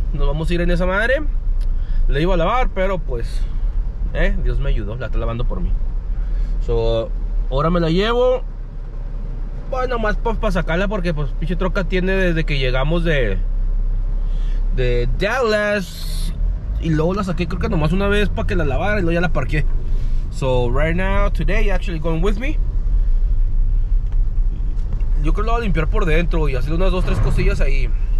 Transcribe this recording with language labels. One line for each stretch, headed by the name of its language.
Spanish: Nos vamos a ir en esa madre. La iba a lavar, pero pues Dios me ayudó, la está lavando por mí. So ahora me la llevo. Bueno, más para sacarla, porque pues pinche troca tiene desde que llegamos de Dallas. Y luego la saqué, creo que nomás una vez para que la lavara, y luego ya la parqué.
English: So right now, today, actually going with me.
Spanish: Yo creo que la voy a limpiar por dentro y hacer unas 2-3 cosillas ahí.